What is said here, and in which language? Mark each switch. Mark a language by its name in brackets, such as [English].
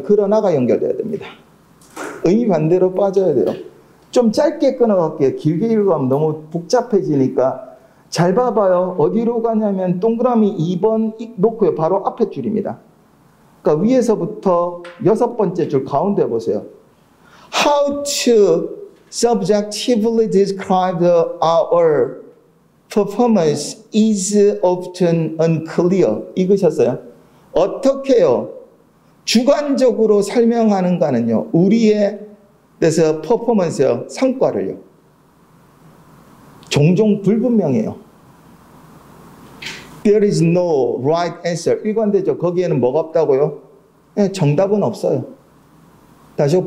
[Korean] 그러나가 연결돼야 됩니다. 의미 반대로 빠져야 돼요. 좀 짧게 끊어갈게요. 길게 읽으면 너무 복잡해지니까. 잘 봐봐요. 어디로 가냐면 동그라미 2번 놓고요. 바로 앞에 줄입니다. 그러니까 위에서부터 여섯 번째 줄 가운데 보세요. [English] How to subjectively describe our performance is often unclear. [Korean] 읽으셨어요? 어떻게요? 주관적으로 설명하는가는요. 우리의 그래서 퍼포먼스요. 성과를요. 종종 불분명해요. [English] There is no right answer. [Korean] 일관되죠. 거기에는 뭐가 없다고요? 네, 정답은 없어요. 다시요.